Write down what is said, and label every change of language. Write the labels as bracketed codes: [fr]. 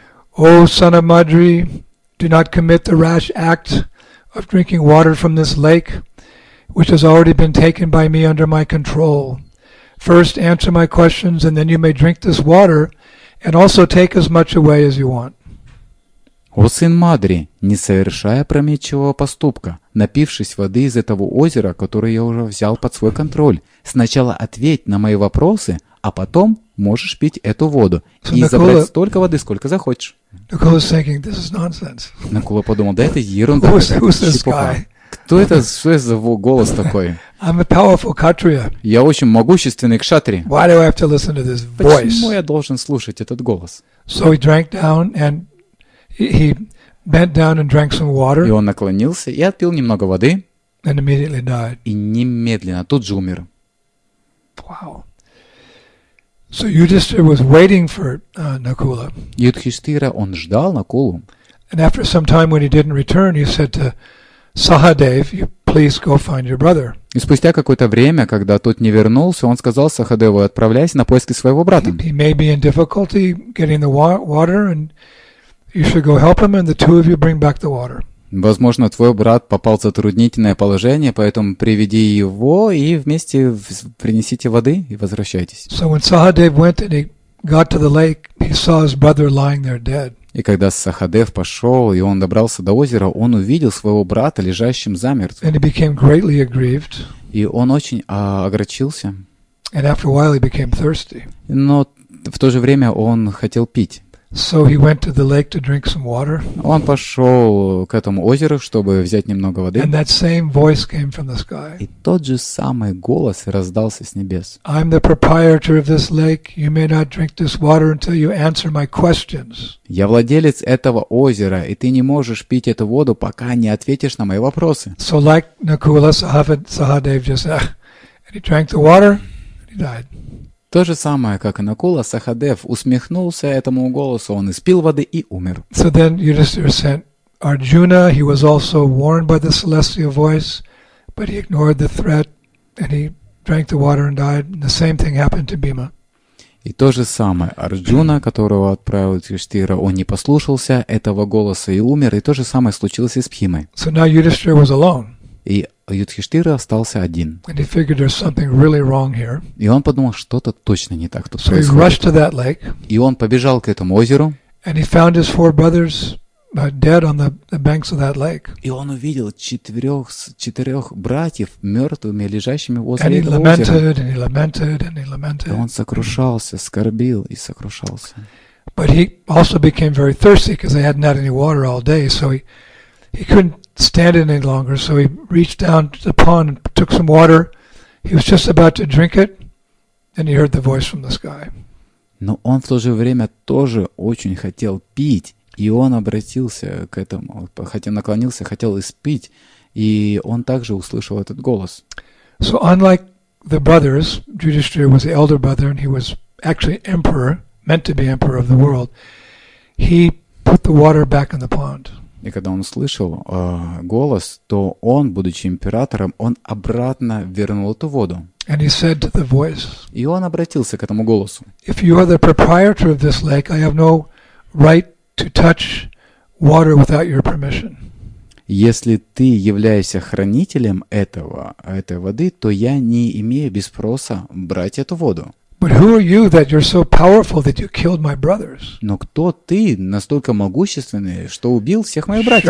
[en] O son of Madri, do not commit the rash act of drinking water from this lake, which has already been taken by me under my control. First answer my questions, and then you may drink this water, and also take as much away as you want. [ru] О, сын Мадри, не совершая опрометчивого поступка, напившись воды из этого озера, которое я уже взял под свой контроль, сначала ответь на мои вопросы, а потом можешь пить эту воду и забрать столько воды, сколько захочешь. Накула подумал, да это ерунда. Кто это? Что это за голос такой? [en] I'm a powerful kshatriya. [ru] Я очень могущественный кшатри. [en] Why do I have to listen to this voice? [ru] Почему я должен слушать этот голос? [en] So he drank down and he bent down and drank some water. [ru] И он наклонился и отпил немного воды. [en] And immediately died. [ru] И немедленно тут же умер. [en] Wow. So Yudhishthira was waiting for Nakula. [ru] Юдхиштхира, он ждал Накулу. [en] And after some time, when he didn't return, he said to Sahadev, you please go find your brother. [ru] И спустя какое-то время, когда тот не вернулся, он сказал Сахадеву, отправляйся на поиски своего брата. [en] He may be in difficulty getting the water, and you should go help him, and the two of you bring back the water. [ru] Возможно, твой брат попал в затруднительное положение, поэтому приведи его и вместе принесите воды и возвращайтесь. [en] So when Sahadev went and he got to the lake, he saw his brother lying there dead. [ru] И когда Сахадев пошел, и он добрался до озера, он увидел своего брата, лежащим замертво. [en] And he became greatly aggrieved. [ru] И он очень огорчился. [en] And after a while he became thirsty. [ru] Но в то же время он хотел пить. [en] So he went to the lake to drink some water. [ru] Он пошел к этому озеру, чтобы взять немного воды. [en] And that same voice came from the sky. [ru] И тот же самый голос раздался с небес. [en] I'm the proprietor of this lake. You may not drink this water until you answer my questions. [ru] Я владелец этого озера, и ты не можешь пить эту воду, пока не ответишь на мои вопросы. [en] So like Nakula, Sahadev just said, and he drank the water, and he died. [ru] То же самое, как и Накула, Сахадев усмехнулся этому голосу, он испил воды и умер. [en] So then Yudhishthira sent Arjuna, he was also warned by the celestial voice, but he ignored the threat, and he drank the water and died. And the same thing happened to Bhima. [ru] И то же самое, Арджуна, которого отправил Юдхиштхира, он не послушался этого голоса и умер, и то же самое случилось и с Бхимой. [en] So now Yudhishthira was alone. [ru] И Юдхиштхира остался один. [en] And he figured there's something really wrong here. [ru] И он подумал, что-то точно не так тут so происходит. [en] He rushed to that lake. [ru] И он побежал к этому озеру. [en] And he found his four brothers dead on the banks of that lake. [ru] И он увидел четырех братьев мертвыми, лежащими возле and этого [en] he lamented, [ru] озера. [en] And he lamented, and he lamented. [ru] И он сокрушался, скорбил и сокрушался. [en] But he also became very thirsty because they hadn't had any water all day, so he couldn't stand it any longer, so he reached down to the pond and took some water. He was just about to drink it, and he heard the voice from the sky. [ru] Но он в то же время тоже очень хотел пить, и он обратился к этому, хотя наклонился, хотел испить, и он также услышал этот голос. [en] So unlike the brothers, Yudhishthira was the elder brother, and he was actually emperor, meant to be emperor of the world. He put the water back in the pond. [ru] И когда он услышал голос, то он, будучи императором, он обратно вернул эту воду. [en] And he said to the voice, [ru] и он обратился к этому голосу. [en] If you are the proprietor of this lake, I have no right to touch water without your permission. [ru] если ты являешься хранителем этого, этой воды, то я не имею без спроса брать эту воду. [en] But who are you that you're so powerful that you killed my brothers? [ru] Но кто ты настолько могущественный, что убил всех моих братьев?